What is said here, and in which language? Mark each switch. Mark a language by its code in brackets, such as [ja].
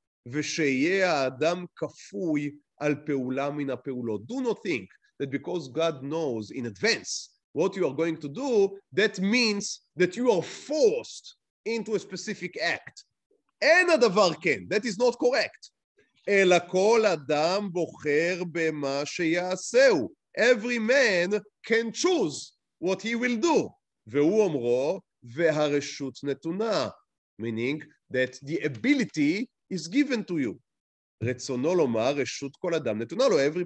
[he] ושיהיה האדם כפוי על פעולה מן הפעולות. [en] Do not think that because God knows in advance what you are going to do, that means that you are forced into a specific act. [he] אין הדבר כן, [en] that is not correct. [he] אלא כל אדם בוחר במה שיעשהו. [en] Every man can choose what he will do. [he] והוא אומרו, והרשות נתונה. [en] Meaning that the ability is given to you. [he] רצונו לומר, רשות כל אדם נתונה לו.